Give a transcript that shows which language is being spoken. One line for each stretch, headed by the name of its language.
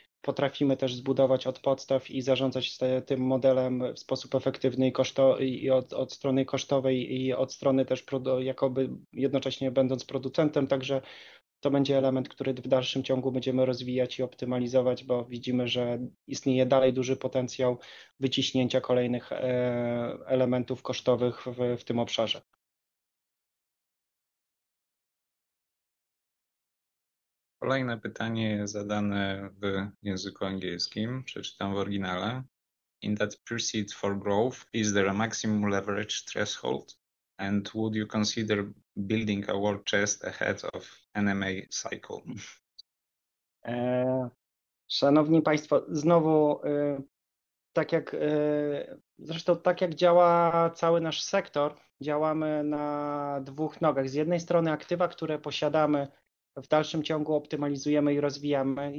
Polish: potrafimy też zbudować od podstaw i zarządzać tym modelem w sposób efektywny i od strony kosztowej i od strony też jakoby jednocześnie będąc producentem, także to będzie element, który w dalszym ciągu będziemy rozwijać i optymalizować, bo widzimy, że istnieje dalej duży potencjał wyciśnięcia kolejnych elementów kosztowych w tym obszarze. Kolejne pytanie zadane w języku angielskim, przeczytam w oryginale.
English: In that pursuit for growth, is there a maximum leverage threshold? And would you consider building a war chest ahead of NMA cycle?
Polish: Szanowni Państwo, znowu tak jak zresztą tak jak działa cały nasz sektor, działamy na dwóch nogach. Z jednej strony aktywa, które posiadamy, w dalszym ciągu optymalizujemy i rozwijamy.